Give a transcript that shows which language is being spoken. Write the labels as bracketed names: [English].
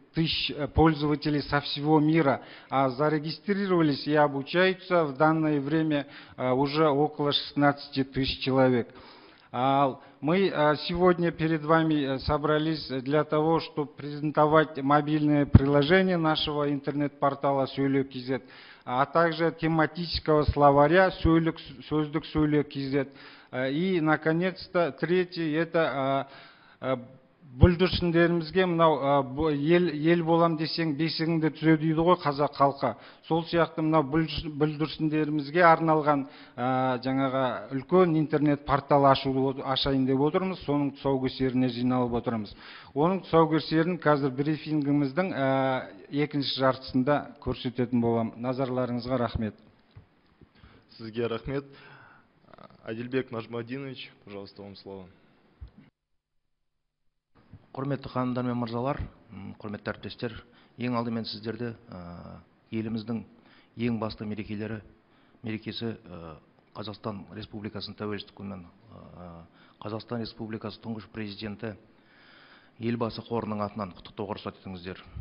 [Russian] тысяч пользователей со всего мира зарегистрировались и обучаются в данное время уже около 16 тысяч человек. Мы сегодня перед вами собрались для того, чтобы презентовать мобильное приложение нашего интернет-портала «Сөйлөк.кз», а также тематического словаря «Сөздік.сөйлөк.кз». И, наконец-то, третий – это [Kazakh] бүлдіршіндерімізге, мынау ел болам десең, бесігіңді түзе дейді ғой қазақ халқы. Сол сияқты мынау бүлдіршіндерімізге арналған жаңаға үлкен интернет портал ашайын деп отырмыз, соның тұсаукесеріне жиналып отырмыз. Оның тұсаукесерін қазір брифингіміздің екінші жартысында көрсететін боламын. Назарларыңызға рахмет. Сізге рахмет. [Russian] Адильбек Нажмадинович, пожалуйста, вам слово. [Kazakh] Құрметті қандар мен мырзалар, құрметті әріптестер, ең алдымен сіздерді еліміздің ең басты мерекесі Қазақстан Республикасының тәуелсіздік күнімен Қазақстан Республикасы тұңғыш президенті елбасы қорының атынан құттықтауға рұқсат етіңіздер.